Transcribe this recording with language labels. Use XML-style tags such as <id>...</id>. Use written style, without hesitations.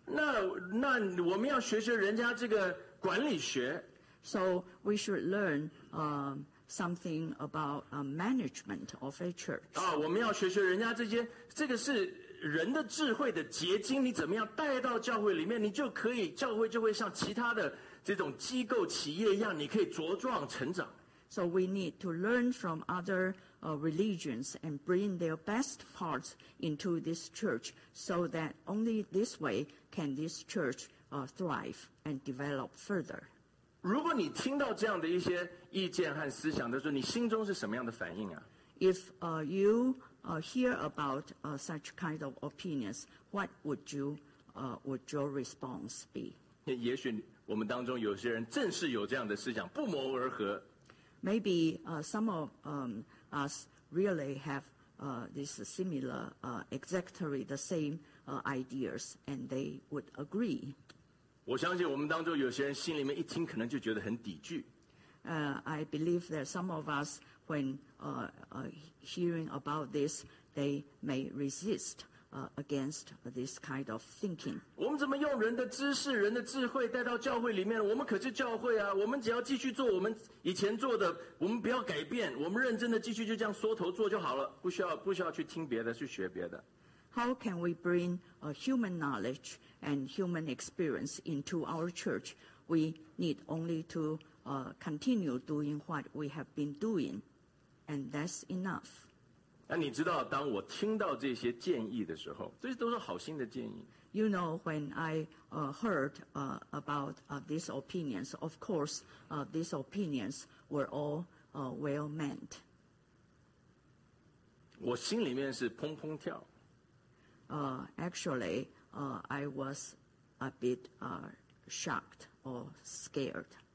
<zh>那我们要学学人家这个管理学。</zh> <en>So we should learn something about management of a church.</en> <zh>啊，我们要学学人家这个是。人的智慧的结晶，你怎么样带到教会里面，你就可以，教会就会像其他的这种机构企业一样，你可以茁壮成长。</zh> <en>So we need to learn from other religions and bring their best parts into this church, so that only this way can this church thrive and develop further.</en> <zh>如果你听到这样的一些意见和思想的时候，你心中是什么样的反应啊？</zh> <en>If you hear about such kind of opinions, what would your response be?</en> <zh>也许我们当中有些人正是有这样的思想，不谋而合。</zh> <en>Maybe some of us really have this similar, exactly the same ideas, and they would agree.</en> <zh>我相信我们当中有些人心里面一听，可能就觉得很抵拒。</zh> <en>I believe that some of us, when hearing about this, they may resist against this kind of thinking.</en> <zh>我们怎么用人的知识、人的智慧带到教会里面？我们可是教会啊！我们只要继续做我们以前做的，我们不要改变，我们认真的继续就这样缩头做就好了，不需要去听别的，去学别的。</zh> <en>How can we bring human knowledge and human experience into our church? We need only to continue doing what we have been doing, and that's enough.</en> <zh>那你知道，当我听到这些建议的时候，这些都是好心的建议。</zh> <en>You know, when I heard about these opinions, of course, these opinions were all well meant.</en> <zh>我心里面是砰砰跳。</zh> <en>Actually, I was a bit shocked or scared.</en>